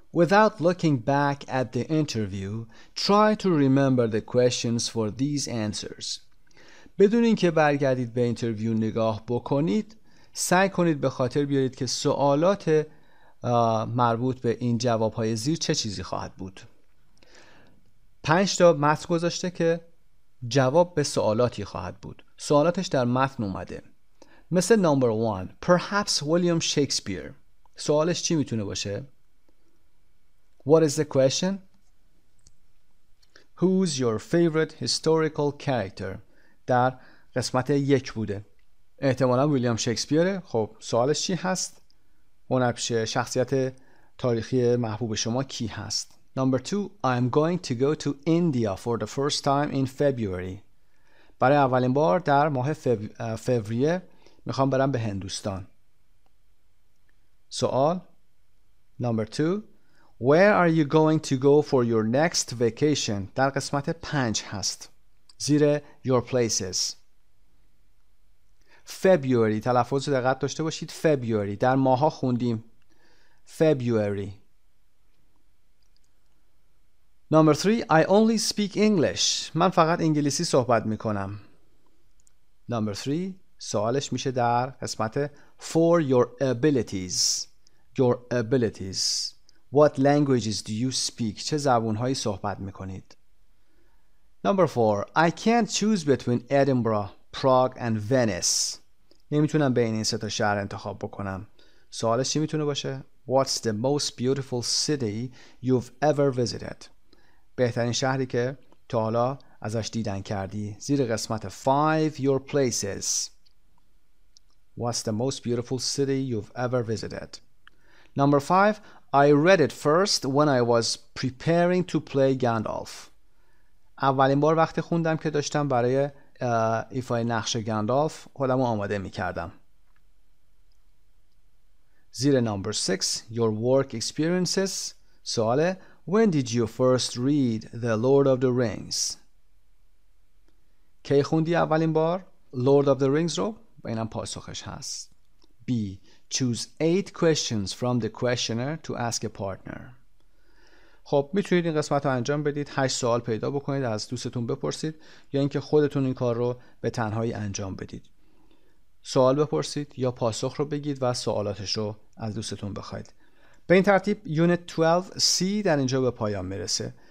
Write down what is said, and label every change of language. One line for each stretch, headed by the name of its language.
English: Without looking back at the interview, try to remember the questions for these answers.
Persian: بدون اینکه برگردید به اینترویو نگاه بکنید، سعی کنید به خاطر بیارید که سوالات مربوط به این جواب‌های زیر چه چیزی خواهد بود. 5 تا متن گذاشته که جواب به سوالاتی خواهد بود. سوالاتش در متن اومده. مثل نمبر 1،
English: perhaps
Persian: William Shakespeare. سوالش چی میتونه باشه؟
English: What is the question? Who's your favorite historical character?
Persian: در قسمت 1 بوده. احتمالاً ویلیام شکسپیره. خب سوالش چی هست؟ هنرپیشه شخصیت تاریخی محبوب شما کی هست؟
English: Number 2, I'm going to go to India for the first time in February.
Persian: برای اولین بار در ماه فوریه میخوام برم به هندوستان.
English: سوال Number 2, Where are you going to go for your next vacation?
Persian: در قسمت 5 هست. زیر
English: your places.
Persian: February. تلفظ رو دقت داشته باشید. February. در ماها خوندیم. February.
English: Number 3. I only speak English.
Persian: من فقط انگلیسی صحبت میکنم.
English: Number 3.
Persian: سوالش میشه در قسمت
English: For your abilities. Your abilities. What languages do you speak?
Persian: چه زبونهایی صحبت میکنید؟
English: Number 4. I can't choose between Edinburgh, Prague and Venice.
Persian: نمیتونم بین این سه تا شهر انتخاب بکنم.
English: سوالش چی میتونه باشه؟ What's the most beautiful city you've ever visited?
Persian: بهترین شهری که تا حالا ازش دیدن کردی. زیر قسمت 5.
English: Your places. What's the most beautiful city you've ever visited? Number 5. I read it first when I was preparing to play Gandalf.
Persian: اولین بار وقتی خوندم که داشتم برای ایفای نقش گندالف خودم رو آماده می کردم. زیر نمبر
English: 6, Your work experiences. سوال: When did you first read The Lord of the Rings?
Persian: کی خوندی اولین بار Lord of the Rings رو؟ و اینم پاسخش هست. B.
English: Choose 8 questions from the questioner to ask a partner.
Persian: خب میتونید این قسمت رو انجام بدید، 8 سوال پیدا بکنید از دوستتون بپرسید، یا اینکه خودتون این کار رو به تنهایی انجام بدید. سوال بپرسید یا پاسخ رو بگید و سوالاتش رو از دوستتون بخواید. به این ترتیب یونت 12C در اینجا به پایان میرسه.